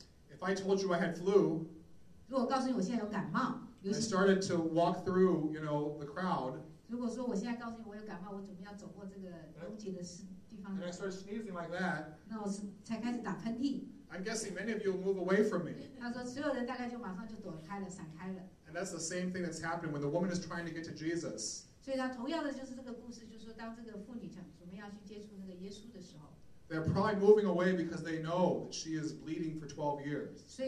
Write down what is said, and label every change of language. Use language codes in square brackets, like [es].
[en] If I told you I had flu, I started to walk through, you know, the crowd. [zh] 如果说我现在告诉你我有感冒，我准备要走过这个拥挤的地方。 [en] And I started sneezing like that. [zh] 那我才开始打喷嚏。 [en] I'm guessing many of you will move away from me. [zh] 他说所有人大概就马上就躲开了，闪开了。 [en] And that's the same thing that's happening when the woman is trying to get to Jesus. [zh] 所以他同样的就是这个故事，就是说当这个妇女想准备要去接触那个耶稣的时候。 [en] They're probably moving away because they know that she is bleeding for 12 years.